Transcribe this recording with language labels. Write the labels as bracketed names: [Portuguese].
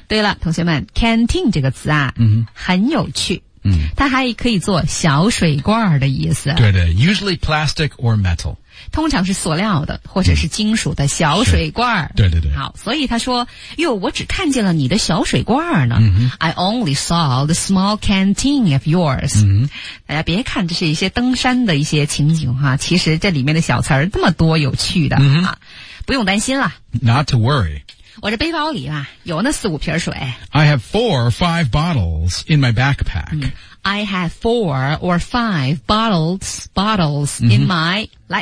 [Chinese] 对了同学们 ,canteen 这个词啊、很有趣。它还可以做小水罐的意思。对的， [English] usually plastic or metal。 [Chinese] 通常是塑料的或者是金属的小水罐。对对对。好，所以他说，哟，我只看见了你的小水罐呢。 Mm-hmm. [English] I only saw the small canteen of yours. Mm-hmm. [Chinese] 大家别看这是一些登山的一些情景哈，其实这里面的小词儿这么多有趣的哈。 Mm-hmm. 不用担心了。 [English] Not to worry. [Chinese] 我这背包里啊有那四五瓶水。 [English] I have 4 or 5 bottles in my backpack.、 Mm-hmm. I have 4 or 5 bottles in my,、mm-hmm.